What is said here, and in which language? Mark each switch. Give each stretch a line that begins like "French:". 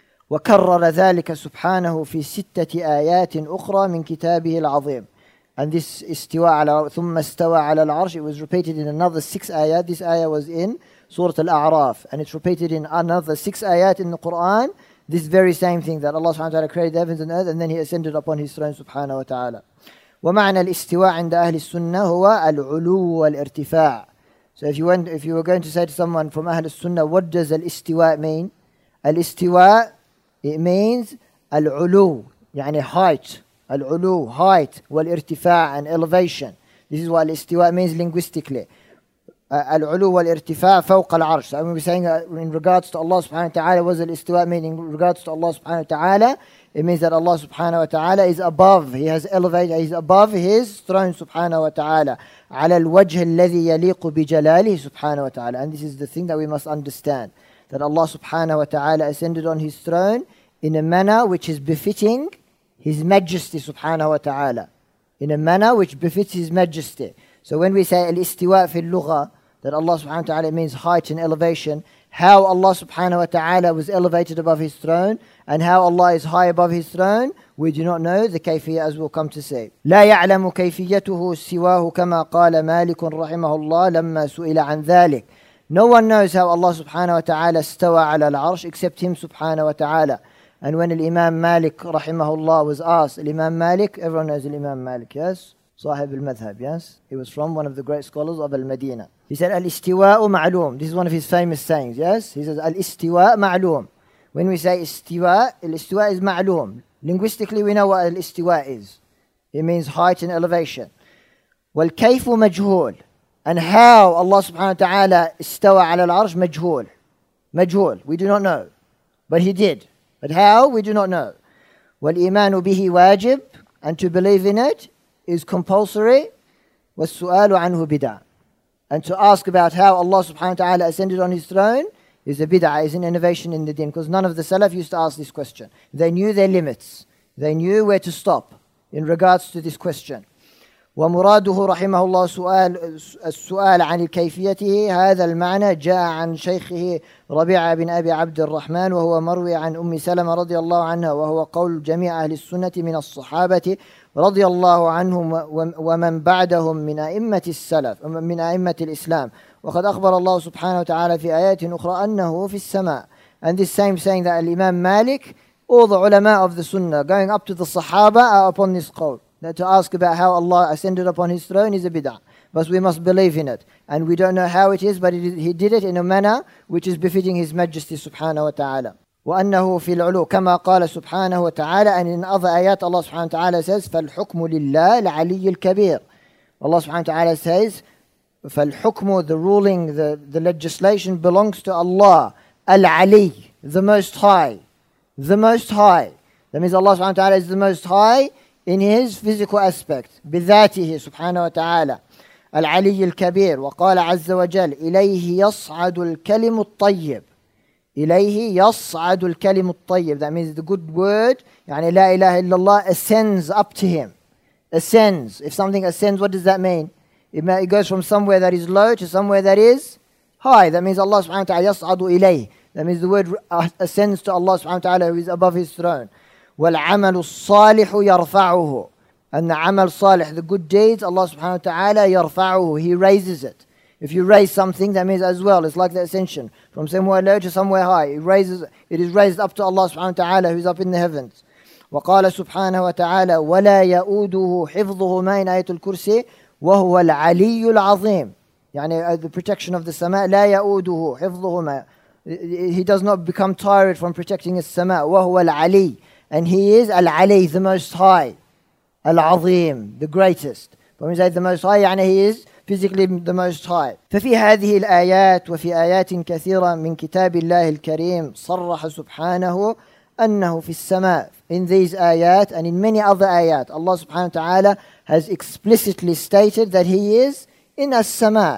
Arabic: وكرر ذلك سبحانه في ستة آيات أخرى من كتابه العظيم.
English: And this
Arabic: استوى على ثم استوى على العرش,
English: it was repeated in another 6 ayat. This ayah was in Surah Al-A'raf, and it's repeated in another 6 ayat in the Quran. This very same thing, that Allah
Arabic: سبحانه وتعالى
English: created the heavens and earth, and then he ascended upon his throne, سبحانه وتعالى.
Arabic: ومعنى الاستواء عند أهل السنة هو العلو والارتفاع.
English: So if you were going to say to someone from أهل السنة, what does الاستواء mean? الاستواء, it means العلو, يعني height. العلو, height, والارتفاع, and elevation. This is what الاستواء means linguistically.
Arabic: العلو والارتفاع فوق العرش.
English: So we're saying in regards to Allah subhanahu wa ta'ala, was the istiwa meaning in regards to Allah subhanahu wa ta'ala, it means that Allah subhanahu wa ta'ala is above, he has elevated, he's above his throne subhanahu wa ta'ala.
Arabic: على الوجه الذي يليق بجلاله سبحانه وتعالى.
English: And this is the thing that we must understand, that Allah subhanahu wa ta'ala ascended on his throne in a manner which is befitting his majesty subhanahu wa ta'ala. In a manner which befits his majesty. So when we say
Arabic: الاستواء في اللغة,
English: that Allah subhanahu wa ta'ala means height and elevation, how Allah subhanahu wa ta'ala was elevated above his throne and how Allah is high above his throne, we do not know the kayfiyyah, as we'll come to say.
Arabic: لا يعلم كيفيته سواه كما قال مالك رحمه الله لما سئل عن ذلك.
English: No one knows how Allah subhanahu wa ta'ala
Arabic: استوى على العرش
English: except him subhanahu wa ta'ala. And when Imam Malik
Arabic: رحمه الله
English: was asked, Imam Malik, everyone knows Imam Malik, yes?
Arabic: صاحب المذهب,
English: yes? He was from one of the great scholars of Al-Madina. He said,
Arabic: الاستواء معلوم.
English: This is one of his famous sayings, yes? He says,
Arabic: الاستواء معلوم.
English: When we say استواء, الاستواء is معلوم. Linguistically, we know what الاستواء is. It means height and elevation.
Arabic: والكيف مجهول.
English: And how Allah subhanahu wa ta'ala
Arabic: استوى على العرش مجهول. مجهول.
English: We do not know. But he did. But how? We do not know.
Arabic: والإيمان به واجب.
English: And to believe in it is compulsory.
Arabic: والسؤال عنه بدعة.
English: And to ask about how Allah subhanahu wa ta'ala ascended on his throne is a bid'ah, is an innovation in the deen. Because none of the Salaf used to ask this question. They knew their limits. They knew where to stop in regards to this question.
Arabic: ومراده رحمه الله سؤال السؤال عن كيفيته هذا المعنى جاء عن شيخه ربيعة بن أبي عبد الرحمن وهو مروي عن أم سلمة رضي الله عنها وهو قول جميع أهل السنة من الصحابة رضي الله عنهم ومن بعدهم من أئمة السلف من أئمة الإسلام وقد أخبر الله سبحانه وتعالى في آيات أخرى أنه في السماء.
English: And this same saying that Imam Malik, all the ulama of the Sunnah going up to the Sahaba are upon this call. That to ask about how Allah ascended upon his throne is a bid'ah. But we must believe in it. And we don't know how it is, but it is, he did it in a manner which is befitting his majesty subhanahu wa ta'ala.
Arabic: وَأَنَّهُ فِي الْعُلُوِ كَمَا قَالَ سُبْحَانَهُ وَتَعَالَى.
English: And in other ayat, Allah subhanahu wa ta'ala says,
Arabic: فَالْحُكْمُ لِلَّهِ الْعَلِيِّ الْكَبِيرِ.
English: Allah subhanahu wa ta'ala says, فَالْحُكْمُ, the ruling, the legislation belongs to Allah. الْعَلِي, the most high. The most high. That means Allah subhanahu wa ta'ala is the most high in his physical aspect,
Arabic: بذاته سبحانه وتعالى العلي الكبير. وقال عز وجل إليه يصعد الكلم الطيب. إليه يصعد الكلم الطيب,
English: that means the good word,
Arabic: يعني لا إله إلا الله,
English: ascends up to him. Ascends, if something ascends, what does that mean? It goes from somewhere that is low to somewhere that is high. That means Allah
Arabic: سبحانه وتعالى يصعد إليه,
English: that means the word ascends to Allah سبحانه وتعالى, who is above his throne.
Arabic: والعمل الصالح يرفعه. أن عمل صالح,
English: the good deeds, Allah subhanahu wa ta'ala يرفعه, he raises it. If you raise something, that means as well, it's like the ascension, from somewhere low to somewhere high. It is raised up to Allah subhanahu wa ta'ala, who is up in the heavens.
Arabic: وقال سبحانه وتعالى ولا يؤوده حفظه ما إن آية الكرسي وهو العلي العظيم.
English: يعني the protection of the سماء,
Arabic: لا يؤوده حفظه ما,
English: he does not become tired from protecting the سماء
Arabic: وهو العلي.
English: And he is Al-Ali, the most high. Al-Azim, the greatest. When we say the most high, يعني he is physically the most high.
Arabic: ففي هذه الآيات وفي آيات كثيرة من كتاب الله الكريم صرح سبحانه أنه في السماء.
English: In these آيات and in many other آيات, Allah subhanahu wa ta'ala has explicitly stated that he is in السماء.